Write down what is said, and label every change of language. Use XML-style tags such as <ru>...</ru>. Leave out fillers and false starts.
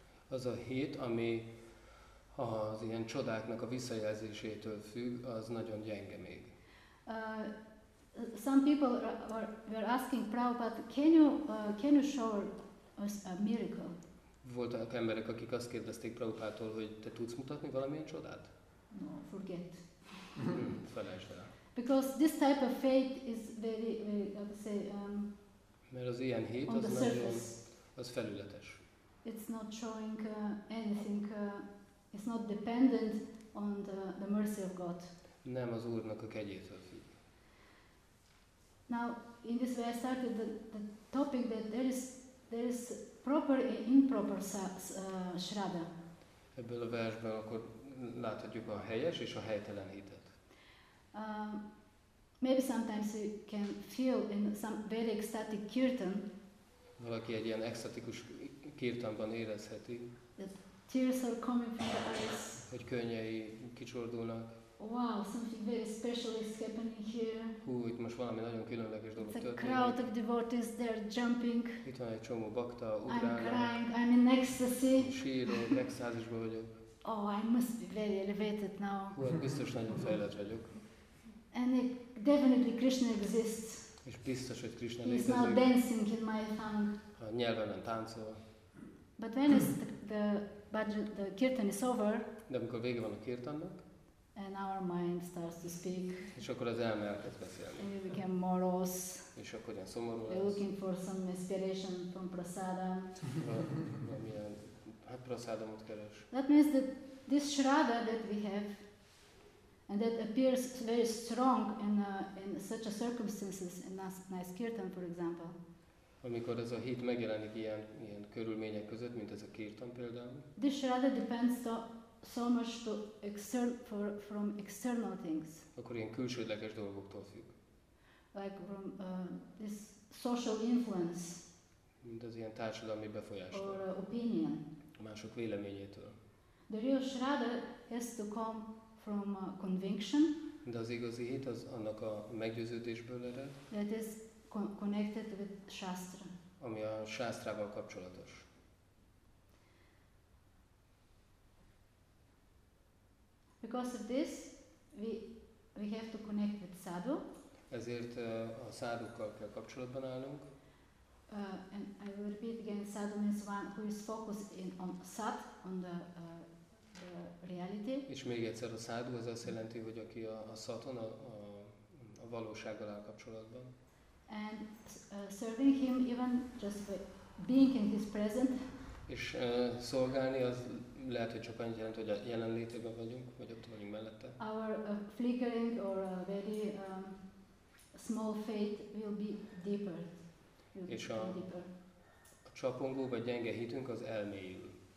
<hu>Az a hit, ami az ilyen csodáknak a visszajelzésétől függ, az nagyon gyenge még.</hu> <en>Some people were asking Prabhupada, can you show us a miracle?</en> <hu>Voltak emberek, akik azt kérdezték Prabhupától, hogy te tudsz mutatni valamilyen csodát?</hu> <en>No, forget.</en> <hu>Felejtsd el.</hu> <en>Because this type of faith is very how to say,</en> <hu>mert az ilyen hit, az nagyon, az felületes.</hu> <en>It's not showing anything, it's not dependent on the mercy of God.</en> <hu>Nem az Úrnak a kegyétől függ.</hu> <en>Now, in this way I started the topic that there is proper and improper shraddha.</en> <hu>Ebből a versben akkor láthatjuk a helyes és a helytelen hitet.</hu> <en>Maybe sometimes you can feel in some very ecstatic kirtan.</en> <hu>Valaki egy ilyen ecstatikus kirtanban érezheti.</hu> <en>That tears are coming from the eyes.</en> <hu>Hogy könnyei kicsordulnak.</hu> <en>Wow, something very special is happening here.</en> <hu>Hú, itt most valami nagyon különleges dolog történik.</hu> <en>It's a crowd of devotees, they're jumping.</en> <hu>Itt van egy csomó bakta, ugrálnak.</hu> <en>I'm crying, I'm in ecstasy.</en> <hu>Sírok, extázisban vagyok.</hu> <en>oh, I must be very elevated now.</en> <hu>Well, biztos nagyon fejlett vagyok.</hu> <en>And it, definitely Krishna exists.</en> <hu>És biztos, hogy Krishna létezik.</hu> <en>He's now dancing in my tongue.</en> <hu>A nyelvemen táncol.</hu> <en>But when is the kirtan is over?</en> <hu>De amikor vége van a kirtannak?</hu> <en>And our mind starts to speak.</en> <hu>És akkor az elme elkezd beszélni.</hu> <en>And we become morose.</en> <hu>És akkor ilyen szomorú lesz.</hu> <en>We're looking for some inspiration from prasada.</en> <hu>Valamilyen, hát prasadamot keres.</hu> <en>That means that this shraddha that we have, and that appears very strong in such a circumstances, in a nice kirtan, for example.</en> <hu>Amikor ez a hit megjelenik ilyen körülmények között, mint ez a kirtan például.</hu> <en>This shraddha depends so much to from external things.</en> <hu>Akkor ilyen külsődleges dolgoktól függ.</hu> <en>Like from this social influence.</en> <hu>Mint az ilyen társadalmi befolyástól.</hu> <en>Or opinion.</en> <hu>Mások véleményétől.</hu> <en>The real shraddha has to come from conviction.</en> <hu>De az igazi hit az annak a meggyőződésből ered.</hu> <en>That is connected with shastra.</en> <hu>Ami a sásztrával kapcsolatos.</hu> <en>Because of this, we have to connect with sadhu.</en> <hu>Ezért a sadhukkal kell kapcsolatban állnunk.</hu> <en>And I will repeat again, sadhu means one who is focused on sat, on the reality.</en> <hu>És még egyszer, a sadhu az azt jelenti, hogy aki a saton, a valósággal áll kapcsolatban.</hu> <en>And serving him even just by being in his presence.</en> <hu>És szolgálni az lehet, hogy csak annyit jelent, hogy a jelenlétében vagyunk, vagy ott vagyunk mellette.</hu> <en>Our flickering or a very small faith will be deeper.</en> <hu>És a csapongó vagy gyenge hitünk az elmélyül.</hu>